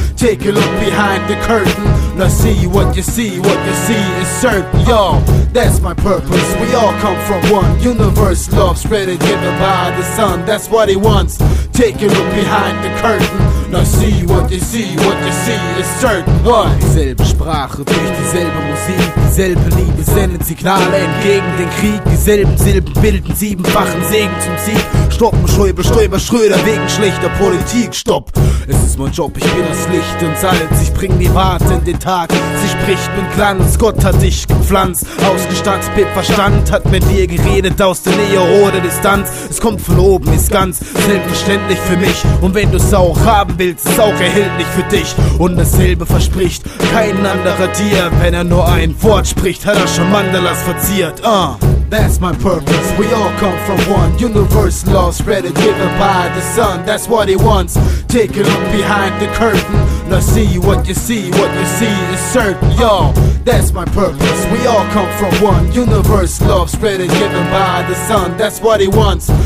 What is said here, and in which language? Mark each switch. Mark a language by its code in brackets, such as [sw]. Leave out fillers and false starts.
[en] Take a look behind the curtain. Now see what you see. What you see is certain, y'all. That's my purpose. We all come from one universe. Love spread and given by the sun. That's what he wants. Take a look behind the curtain. Now see what you see. What you see is certain, what? [de] Dieselbe Sprache durch dieselbe Musik. Dieselbe Liebe sendet Signale entgegen den Krieg. Dieselben Silben bilden siebenfachen Segen zum Sieg. Stoppen, Schäuble, Stäuber, Schröder wegen schlechter Politik. Stopp, es ist mein Job, ich bin das Licht und Salz. Ich bring die Wahrheit in den Tag, sie spricht mit Glanz. Gott hat dich gepflanzt, ausgestattet mit Verstand. Hat mit dir geredet aus der Nähe oder Distanz. Es kommt von oben, ist ganz selbstverständlich für mich. Und wenn du es auch haben willst, ist auch erhältlich für dich. Und dasselbe verspricht kein anderer dir. Wenn er nur ein Wort spricht, hat er schon Mandalas verziert. [en] That's my purpose, we all come from one universe, love spread and given by the sun. That's what he wants. Take a look behind the curtain. Now see what you see. What you see is certain, y'all. That's my purpose. We all come from one universe, love spread and given by the sun. That's what he wants.